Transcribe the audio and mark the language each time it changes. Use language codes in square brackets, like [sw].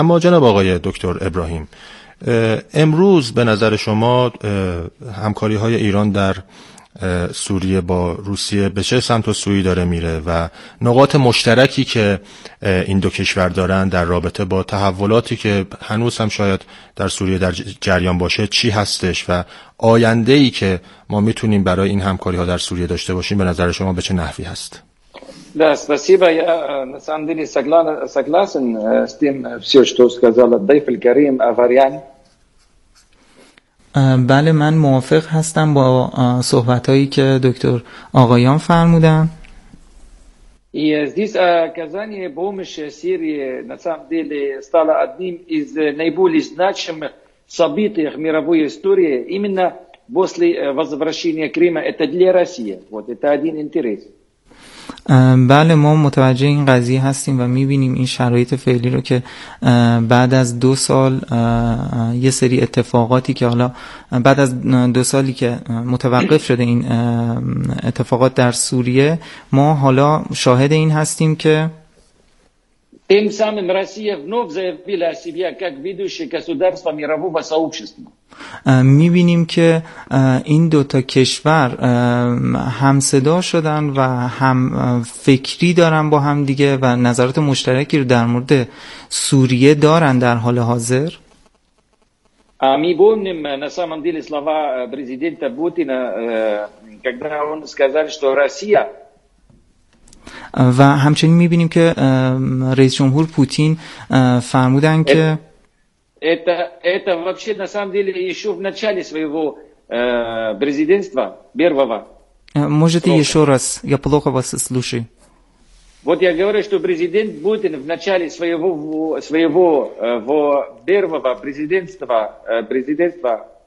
[fa] اما جناب آقای دکتر ابراهیم، امروز به نظر شما همکاری‌های ایران در سوریه با روسیه به چه سمت و سویی داره میره و نقاط مشترکی که این دو کشور دارن در رابطه با تحولاتی که هنوز هم شاید در سوریه در جریان باشه چی هستش و آینده‌ای که ما میتونیم برای این همکاری‌ها در سوریه داشته باشیم به نظر شما به چه نحوی هست؟ [ru] Да, спасибо. Я на самом деле согласен с тем всё, что сказала Дайф аль-Карим Аварян. [fa] بله، من موافق هستم با صحبتایی که دکتر آقایان فرمودن. [ru] Здесь оказание помощи Сирии на самом деле стало одним из наиболее значимых событий мировой истории именно после возвращения Крыма. Это для России. Вот это один интерес. [fa] بله، ما متوجه این قضیه هستیم و می‌بینیم این شرایط فعلی رو که بعد از دو سال یه سری اتفاقاتی که حالا بعد از دو سالی که متوقف شده این اتفاقات در سوریه، ما حالا شاهد این هستیم که [ru] тем самым Россия вновь заявила о себе как ведущее государство мирового сообщества. [fa] می‌بینیم که این دو تا کشور هم صدا شدن و هم فکری دارن با هم دیگه و نظرات مشترکی رو در مورد سوریه دارن در حال حاضر. [ru] Мы помним на самом деле слова президента Путина, когда он сказал, что Россия. [fa] و همچنین می‌بینیم که رئیس جمهور پوتین فرمودن که [ru] Это вообще на самом деле еще в начале своего президентства первого. Можете срока. Еще раз, я плохо вас слушаю. Вот я говорю, что президент Путин в начале своего первого президентства.